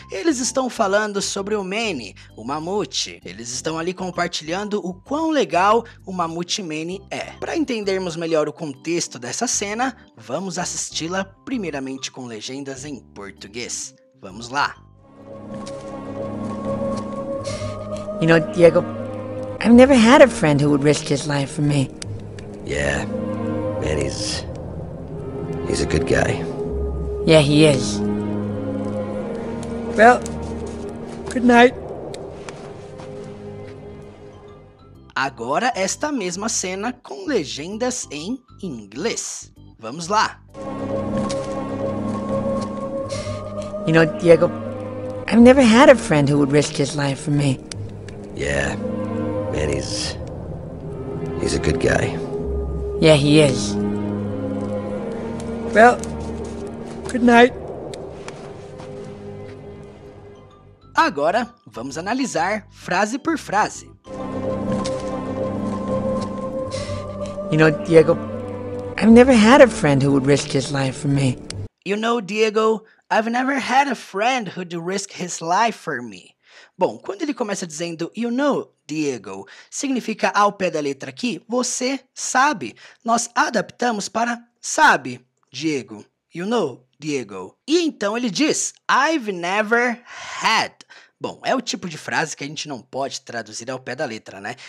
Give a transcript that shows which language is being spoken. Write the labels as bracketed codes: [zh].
[pt] Eles estão falando sobre o Manny, o mamute. Eles estão ali compartilhando o quão legal o mamute Manny é. Para entendermos melhor o contexto dessa cena, vamos assisti-la primeiramente com legendas em português. Vamos lá! [en] You know, Diego, I've never had a friend who would risk his life for me. Yeah, Manny's a good guy. Yeah, he is. Well, good night. [pt] Agora esta mesma cena com legendas em inglês. Vamos lá. [en] You know, Diego, I've never had a friend who would risk his life for me. Yeah, Manny's a good guy. Yeah, he is. Well, good night. [pt] Agora, vamos analisar frase por frase. [en] You know, Diego, I've never had a friend who would risk his life for me. You know, Diego, I've never had a friend who'd risk his life for me. [pt] Bom, quando ele começa dizendo, [en] you know, Diego, [pt] significa ao pé da letra aqui, você sabe. Nós adaptamos para sabe, Diego. [en] You know, Diego. [pt] E então ele diz, [en] I've never had. [pt] Bom, é o tipo de frase que a gente não pode traduzir ao pé da letra, né?